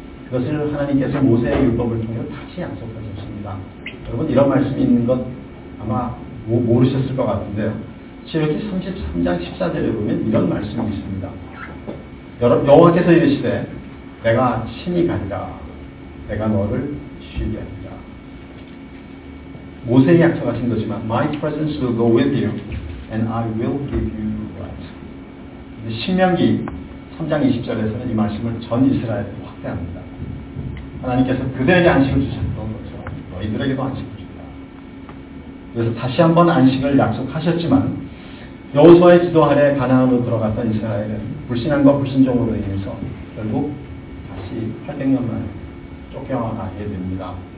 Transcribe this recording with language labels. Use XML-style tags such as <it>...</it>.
<ko>그것을 하나님께서 모세의 율법을 통해 다시 약속하셨습니다. 여러분 이런 말씀이 있는 것 아마 모르셨을 것 같은데요. 출애굽기 33장 14절에 보면 이런 말씀이 있습니다. 여호와께서 이르시되 내가 친히 가리라. 내가 너를 쉬게 하리라. 모세에게 약속하신 것이지만</ko> <en>My presence will go with you and I will give you rest.</en> <ko>신명기 3장 20절에서는 이 말씀을 전 이스라엘에 확대합니다. 하나님께서 그들에게 안식을 주셨던 것처럼 너희들에게도 안식을 주신다. 그래서 다시 한번 안식을 약속하셨지만 여호수아의 지도 아래 가나안으로 들어갔던 이스라엘은 불신앙과 불신종으로 인해서 결국 다시 800년 만에 쫓겨나게 됩니다.</ko>